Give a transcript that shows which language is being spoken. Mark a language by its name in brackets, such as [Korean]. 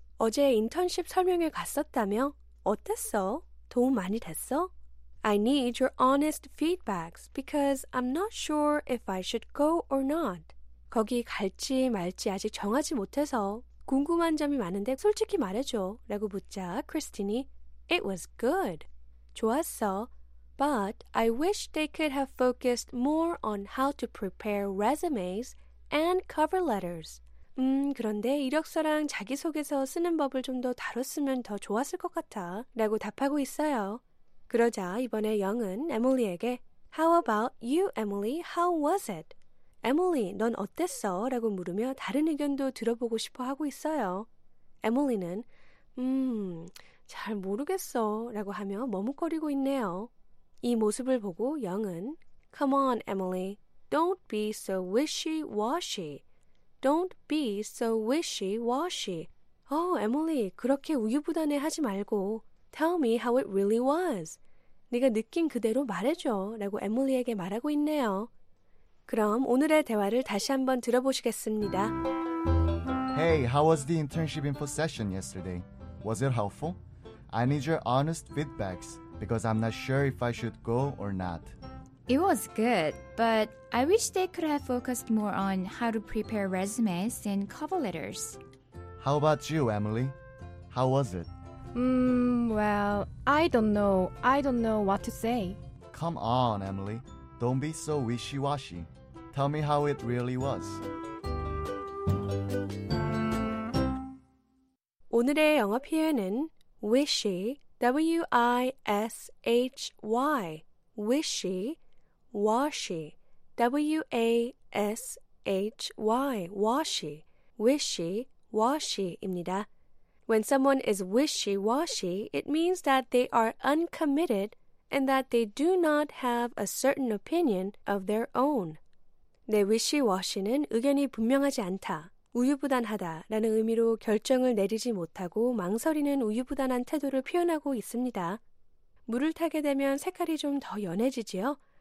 [Korean] 어제 인턴십 설명회 갔었다며? 어땠어? 도움 많이 됐어? [English] I need your honest feedbacks because I'm not sure if I should go or not. [Korean] 거기 갈지 말지 아직 정하지 못해서 궁금한 점이 많은데 솔직히 말해줘 라고 묻자 크리스틴이 [English] It was good. [Korean] 좋았어. [English] But I wish they could have focused more on how to prepare resumes and cover letters. [Korean] 그런데 이력서랑 자기소개서 쓰는 법을 좀 더 다뤘으면 더 좋았을 것 같아 라고 답하고 있어요. 그러자 이번에 영은 에밀리에게 [English] How about you, Emily? How was it? [Korean] 에밀리, 넌 어땠어? 라고 물으며 다른 의견도 들어보고 싶어 하고 있어요. 에밀리는 잘 모르겠어 라고 하며 머뭇거리고 있네요. 이 모습을 보고 영은 [English] Come on, Emily. Don't be so wishy-washy. Don't be so wishy-washy. Oh, Emily, [Korean] 그렇게 우유부단해 하지 말고 [English] Tell me how it really was. [Korean] 네가 느낀 그대로 말해줘 라고 에밀리에게 말하고 있네요. 그럼 오늘의 대화를 다시 한번 들어보시겠습니다. [English] Hey, how was the internship info session yesterday? Was it helpful? I need your honest feedbacks because I'm not sure if I should go or not. It was good, but I wish they could have focused more on how to prepare resumes and cover letters. How about you, Emily? How was it? Well, I don't know. I don't know what to say. Come on, Emily. Don't be so wishy-washy. Tell me how it really was. [Korean] 오늘의 영어 표현은 wishy, W-I-S-H-Y, wishy, washy, W-A-S-H-Y, washy, wishy, washy입니다. [English] When someone is wishy-washy, it means that they are uncommitted and that they do not have a certain opinion of their own. [Korean] 내 wishy-washy는 의견이 분명하지 않다. 우유부단하다라는 의미로 결정을 내리지 못하고 망설이는 우유부단한 태도를 표현하고 있습니다. 물을 타게 되면 색깔이 좀 더 연해지지요?